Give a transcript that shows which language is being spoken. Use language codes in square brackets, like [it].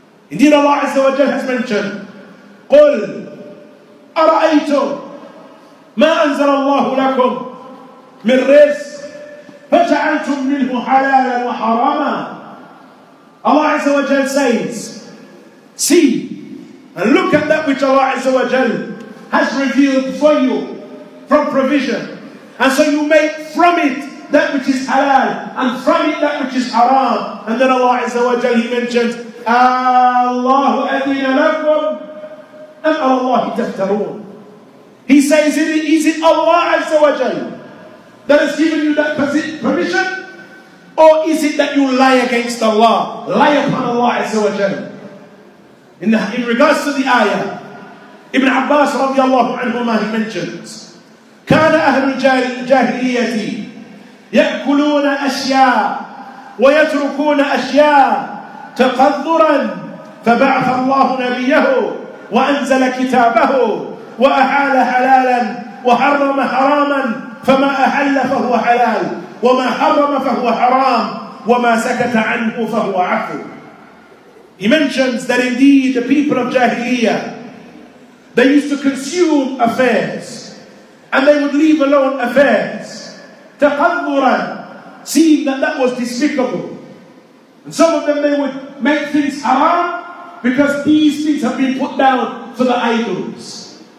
[en] Indeed, Allah Azza wa Jalla has mentioned, [ar] قُلْ أَرَأَيْتُمْ مَا أَنزَلَ اللَّهُ لَكُمْ مِنْ رِزْقٍ فَجَعَلْتُمْ مِنْهُ حَلَالًا وَحَرَامًا. [en] Allah Azza wa Jalla says, see and look at that which Allah Azza wa Jalla has revealed for you from provision. And so you make from it that which is halal, and from it that which is haram. And then Allah Azza wa Jal, he mentions, [ar] Allahu adina lakum am Allahi taftaroon. [en] He says, is it Allah Azza wa Jal that has given you that permission? Or is it that you lie against Allah? Lie upon Allah Azza wa Jal. In regards to the ayah, Ibn Abbas radiallahu anhumah, he mentions, [ar] كان أهل الجاهلية يأكلون أشياء ويتركون أشياء تقذرا فبعث الله نبيه وأنزل كتابه وأحال حلالا وحرم حراما فما أحل فهو حلال وما حرم فهو حرام وما سكت عنه فهو عفو. [en] He mentions that indeed the people of Jahiliyyah, they used to consume affairs and they would leave alone affairs. تَقَذُّرًا, seeing that that was despicable. And some of them, they would make things haram because these things have been put down for the idols.